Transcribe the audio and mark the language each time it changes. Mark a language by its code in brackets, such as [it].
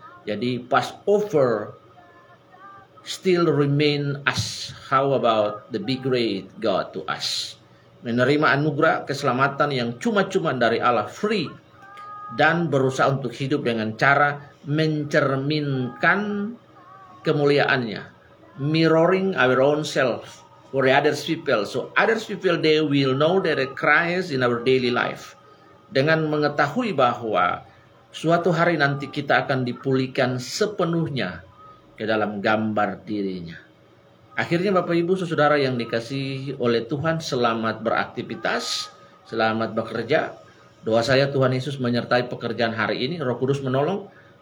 [en] Jadi Passover still remain us. How about the big great God to us? [id] Menerima anugerah keselamatan yang cuma-cuma dari Allah, free. Dan berusaha untuk hidup dengan cara mencerminkan kemuliaannya. [en] Mirroring our own self for other people. So other people, they will know that Christ in our daily life. [id] Dengan mengetahui bahwa suatu hari nanti kita akan dipulihkan sepenuhnya ke dalam gambar dirinya. Akhirnya Bapak Ibu Saudara yang dikasihi oleh Tuhan, selamat beraktivitas, selamat bekerja. Doa saya Tuhan Yesus menyertai pekerjaan hari ini, Roh Kudus menolong.